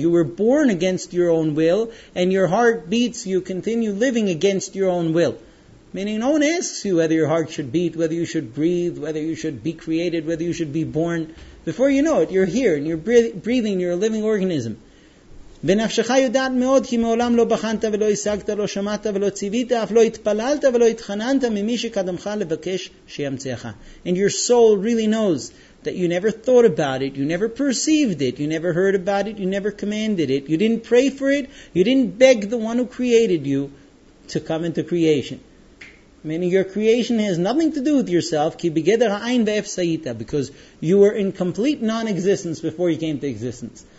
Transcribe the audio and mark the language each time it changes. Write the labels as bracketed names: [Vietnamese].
[English] You were born against your own will, and your heart beats, you continue living against your own will. Meaning no one asks you whether your heart should beat, whether you should breathe, whether you should be created, whether you should be born. Before you know it, you're here, and you're breathing, you're a living organism. [Hebrew] ונפשך יודעת מאוד כי מעולם לא בחנת ולא השגת, לא שמעת ולא ציווית, אף לא התפללת ולא התחננת ממי שקדמך לבקש שימציאך. [English] And your soul really knows that you never thought about it, you never perceived it, you never heard about it, you never commanded it, you didn't pray for it, you didn't beg the one who created you to come into creation. Meaning your creation has nothing to do with yourself, [Hebrew] כי בגדר העין ואף סיית, [English] because you were in complete non-existence before you came to existence.